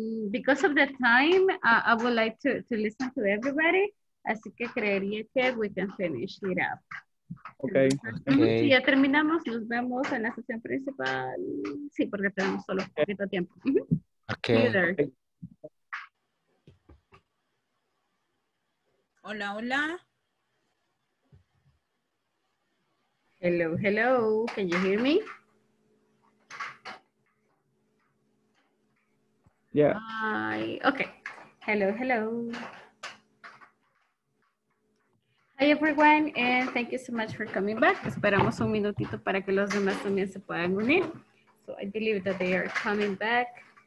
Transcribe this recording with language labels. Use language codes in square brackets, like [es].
[en] Because of the time, I would like to listen to everybody. [es] Así que creería que [en] we can finish it up. Okay. Okay. [es] Si ya terminamos, nos vemos en la sesión principal. Sí, porque tenemos solo un poquito de tiempo. [en] Okay. [es] Hola, hola. [en] Hello, hello. Can you hear me? Yeah. Hi. Okay. Hello, hello. Hi everyone, and thank you so much for coming back. [es] Esperamos un minutito para que los demás también se puedan unir. [en] So I believe that they are coming back.